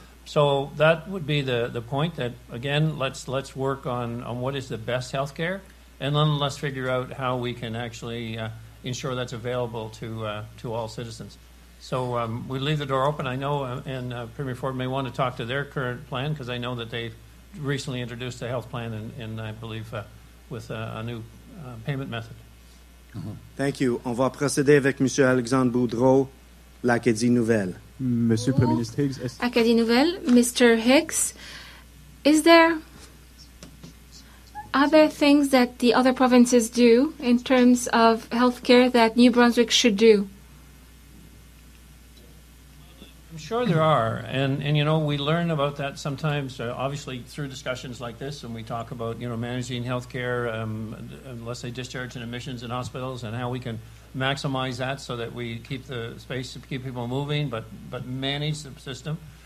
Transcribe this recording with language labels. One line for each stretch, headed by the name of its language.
English: So that would be the point that, again, let's work on what is the best healthcare, and then let's figure out how we can actually ensure that's available to all citizens. So we leave the door open. I know, and Premier Ford may want to talk to their current plan, because I know that they've recently introduced a health plan, and I believe with a new payment method. Mm-hmm. Thank you.
French: On va procéder avec Monsieur Alexandre Boudreau, l'Acadie Nouvelle. Monsieur le Premier ministre Higgs.
English: Acadie Nouvelle, Mr. Higgs, are there things that the other provinces do in terms of healthcare that New Brunswick should do? I'm sure there are, and you know, we learn about that sometimes, obviously through discussions like this, and we talk about, you know, managing healthcare, let's say discharge and admissions in hospitals, and how we can maximize that so that we keep the space to keep people moving, but manage the system.